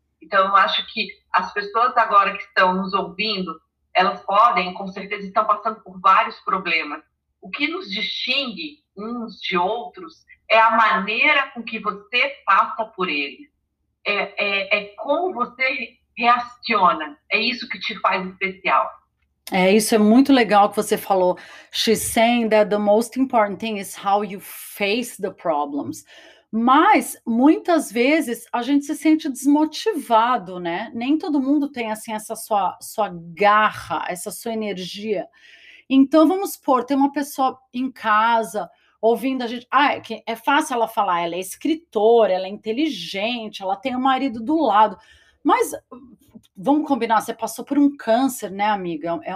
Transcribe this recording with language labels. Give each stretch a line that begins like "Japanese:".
Portuguese: Então, eu acho que as pessoas agora que estão nos ouvindo, elas podem, com certeza, estão passando por vários problemas. O que nos distingue uns de outros é a maneira com que você passa por ele. É como você reaciona. É isso que te faz especial. É, isso é muito legal que você falou.
English: She's saying that the most important thing is how you face the problems.
Portuguese: Mas, muitas vezes, a gente se sente desmotivado, né? Nem todo mundo tem, assim, essa sua garra, essa sua energia. Então, vamos supor, tem uma pessoa em casa ouvindo a gente, é fácil ela falar, ela é escritora, ela é inteligente, ela tem o marido do lado, mas vamos combinar, você passou por um câncer, né, amiga?